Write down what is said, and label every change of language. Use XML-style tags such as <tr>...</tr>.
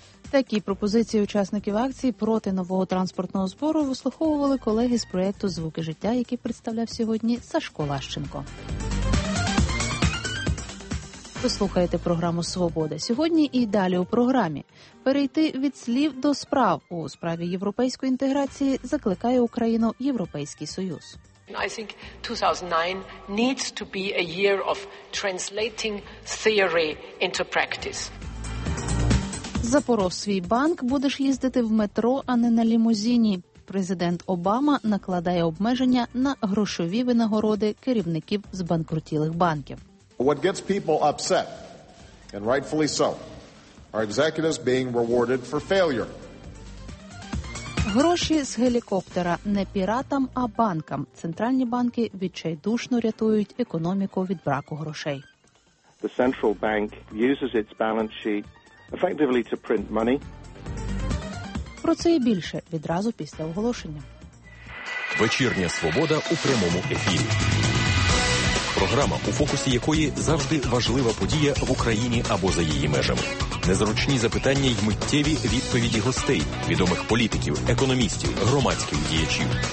<uk>Такі пропозиції учасників акції проти нового транспортного збору вислуховували колеги з проєкту «Звуки життя», який представляв сьогодні Сашко Лащенко. Ви слухаєте програму «Свобода». Сьогодні і далі у програмі. Перейти від слів до справ у справі європейської інтеграції закликає Україну Європейський Союз.</uk> <en>I think 2009 needs to be a year of translating theory into practice.</en> <uk>Запоров свій банк, будеш їздити в метро, а не на лімузині. Президент Обама накладає обмеження на грошові винагороди керівників збанкрутілих банків.</uk> <en>What gets people upset, and rightfully so, are executives being rewarded for failure.</en> <uk>Гроші з гелікоптера не піратам, а банкам. Центральні банки відчайдушно рятують економіку від браку грошей.</uk> <en>The central bank uses its balance sheet effectively to print money.</en> <uk>Про це і більше відразу після оголошення. Вечірня «Свобода» у прямому ефірі. Програма, у фокусі якої завжди важлива подія в Україні або за її межами. Незручні запитання й миттєві відповіді гостей, відомих політиків, економістів, громадських діячів.</uk>